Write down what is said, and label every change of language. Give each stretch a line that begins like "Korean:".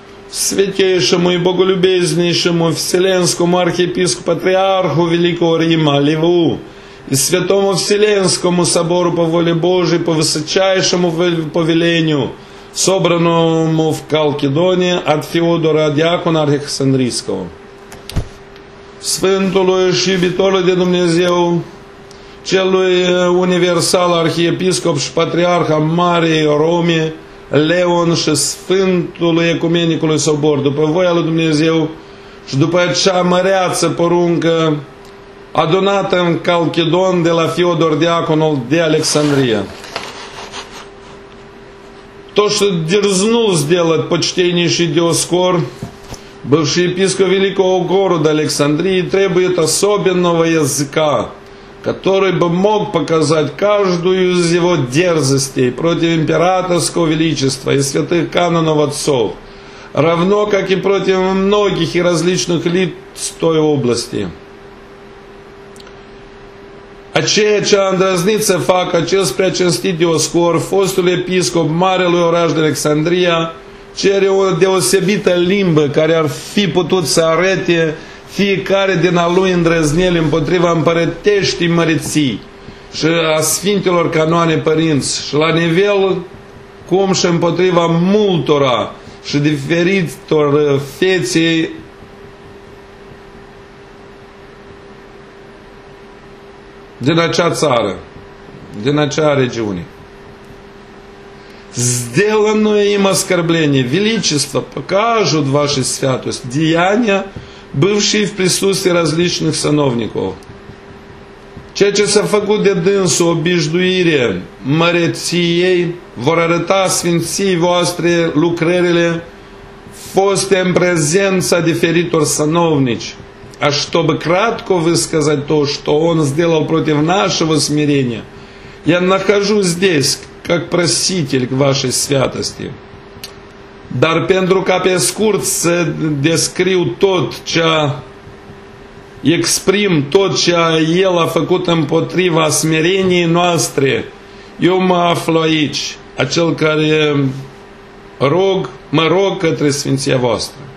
Russian: Святейшему и боголюбезнейшему вселенскому архиепископу патриарху Великого Рима Льву и святому вселенскому собору по воле Божией по высочайшему повелению, собранному в Халкидоне от Феодора диакона Александрийского.
Romanian: Sfântului și iubitorului de Dumnezeu, celui universal arhiepiscop și patriarh al Marii Rome, Leon și Sfântului Ecumenicului Sobor, după voia lui Dumnezeu și după cea măreață poruncă adunată în Chalcedon de la Fiodor Diaconul de Alexandria.
Russian: То, что дерзнул сделать почтеннейший Диоскор, бывший епископ великого города Александрии, требует особенного языка, который бы мог показать каждую из его дерзостей против императорского величества и святых канонов отцов, равно как и против многих и различных лиц той области.
Romanian: Aceea ce a îndrăznit să facă acest preacinstit Dioscor, fostul episcop marelui oraș de Alexandria, cere o deosebită limbă care ar fi putut să arete fiecare din a lui îndrăzneli împotriva împărăteștii măreții și a sfintelor canoane părinți și la nivel cum și împotriva multora și diferitor feței din acea țară, din acea regiune.
Russian: Сделанное им оскорбление, величество, покажут ваши святость, деяния, бывшие в присутствии различных сановников.
Romanian: Ceea ce s-a făcut de dânsul obișduire măreției, vor arăta sfinții voastre lucrările foste în prezența diferitor sanovnici.
Russian: А чтобы кратко высказать то, что он сделал против нашего смирения, я нахожусь здесь, как проситель к вашей святости.
Romanian: Dar pentru ca pe scurt să descriu tot ce exprim tot ce el a făcut împotriva smereniei noastre, eu mă aflu aici, acel care rog, mă rog către Sfinția voastră.